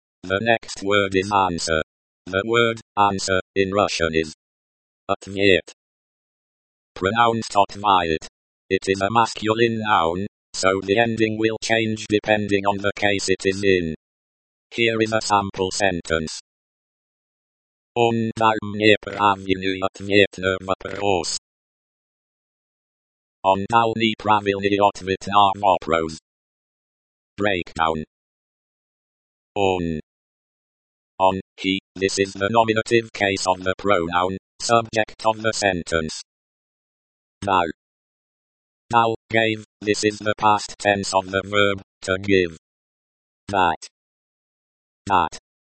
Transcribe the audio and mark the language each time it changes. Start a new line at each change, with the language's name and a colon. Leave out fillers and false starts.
English: The next word is answer. The word, answer, in Russian is Ответ. Pronounced Ответ. It is a masculine noun, so the ending will change depending on the case it is in. Here is a sample sentence.
Russian: Он дал мне правильный ответ на вопрос. Он дал мне правильный ответ на вопрос.
English: Breakdown. Он. Он, he, this is the nominative case of the pronoun, subject of the sentence.
Russian: Дал.
English: Дал, gave, this is the past tense of the verb, to give. That. That.